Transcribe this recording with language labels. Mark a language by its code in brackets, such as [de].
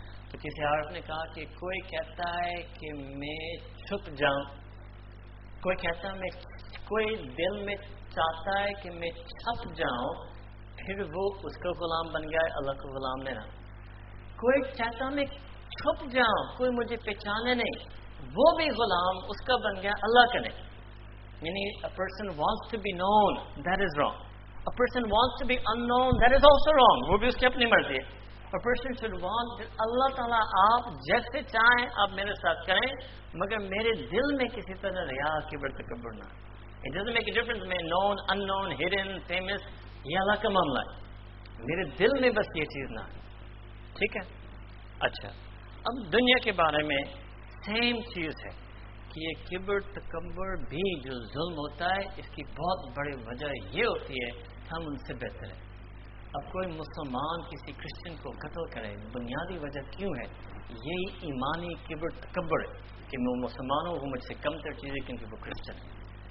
[ur] تو کسی عارف نے کہا کہ کوئی کہتا ہے کہ میں چھپ جاؤں, کوئی کہتا ہے میں کوئی دل میں چاہتا ہے کہ میں چھپ جاؤں, پھر وہ اس کا غلام بن گیا ہے, اللہ کا غلام نہیں رہا. کوئی چاہتا میں چھپ جاؤں, کوئی مجھے پہچانے نہیں, وہ بھی غلام اس کا بن گیا اللہ کا نہیں. [en] یعنی a person wants to be known, that is wrong. A person wants to be unknown, that is also wrong. [ur] وہ بھی اس کی اپنی مرضی ہے. [en] A person should want that [ur] اللہ تعالیٰ آپ جیسے چاہیں آپ میرے ساتھ کریں, مگر میرے دل میں کسی طرح ریا کبر تکبر نہ. [en] It doesn't make a difference میں known, unknown, hidden, famous, [ur] یہ اللہ کا معاملہ ہے. میرے دل میں بس یہ چیز نہ. ٹھیک ہے, اچھا اب دنیا کے بارے میں سیم چیز ہے کہ یہ کبر تکبر بھی جو ظلم ہوتا ہے اس کی بہت بڑی وجہ یہ ہوتی ہے ہم ان سے بہتر ہیں. اب کوئی مسلمان کسی کرسچن کو قتل کرے, بنیادی وجہ کیوں ہے؟ یہی ایمانی کبر تکبر ہے کہ میں مسلمان ہوں, وہ مجھ سے کم تر چیزیں کیونکہ وہ کرسچن ہے.